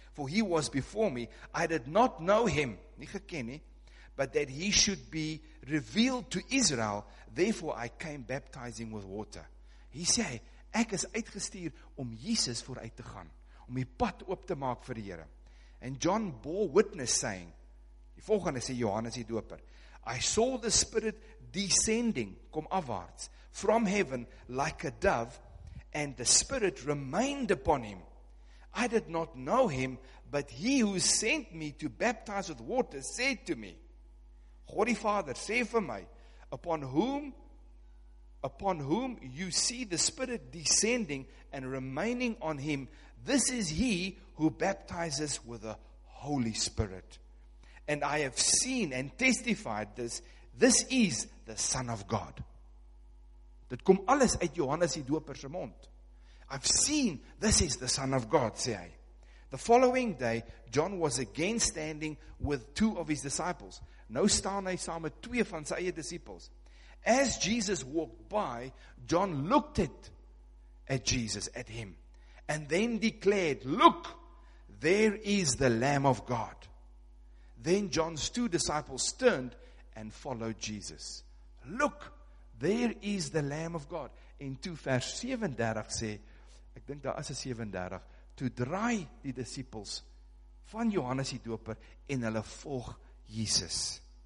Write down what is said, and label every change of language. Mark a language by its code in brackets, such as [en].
[en] For he was before me, I did not know him, [af] nie geken nie, [en] but that he should be revealed to Israel, therefore I came baptizing with water. [af] Hy sê, ek is uitgestuur om Jesus vooruit te gaan, om die pad oop te maak vir die Here. [en] And John bore witness saying, [af] die volgende sê Johannes die Doper, [en] I saw the Spirit descending, [af] kom afwaarts, [en] from heaven like a dove, and the Spirit remained upon him. I did not know him, but he who sent me to baptize with water said to me, [af] God die Vader, sê vir my, [en] upon whom you see the Spirit descending and remaining on him, this is he who baptizes with the Holy Spirit. And I have seen and testified this. This is the Son of God. [af] Dit kom alles uit Johannes die Doper se mond. [en] I've seen, this is the Son of God, [af] sê hy. [en] The following day, John was again standing with two of his disciples. [af] Nou staan hy saam met twee van sy eie disciples. [en] As Jesus walked by, John looked at him, and then declared, "Look, there is the Lamb of God." Then John's two disciples turned and followed Jesus. Look, there is the Lamb of God. [af] In 2 vers 37 sê, ek dink daar is 'n 37, toe draai die disciples van Johannes die Doper en hulle volg Jesus.